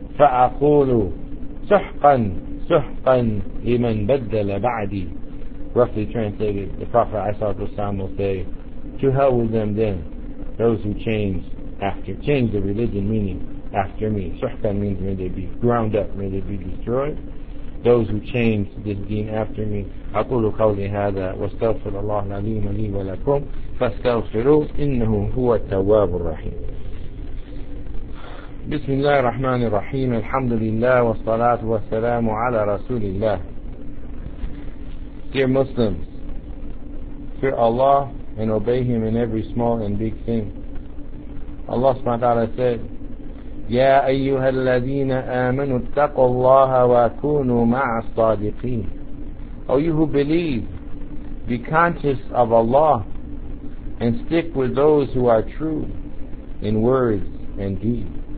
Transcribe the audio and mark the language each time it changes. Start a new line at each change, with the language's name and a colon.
Arabic: فَأَقُولُ سُحْقًا سُحْقًا لِمَنْ بَدَّلَ بَعْدِي
English: Roughly translated, the Prophet ﷺ will say, To hell with them then, those who change the religion, meaning after me. Suhkan means may they be ground up, may they be destroyed. Those who change this deen after me.
Arabic: أقول قولي هذا واستغفر الله العظيم لي ولكم فاستغفروه إنه هو التواب الرحيم. بسم الله الرحمن الرحيم الحمد لله والصلاة والسلام على رسول الله.
English: Dear Muslims, fear Allah and obey Him in every small and big thing. Allah subhanahu wa ta'ala said,
Arabic: يَا أَيُّهَا الَّذِينَ آمَنُوا اتَّقُوا اللَّهَ وَكُونُوا مَعَ الصَّادِقِينَ
English: O you who believe, be conscious of Allah and stick with those who are true in words and deeds.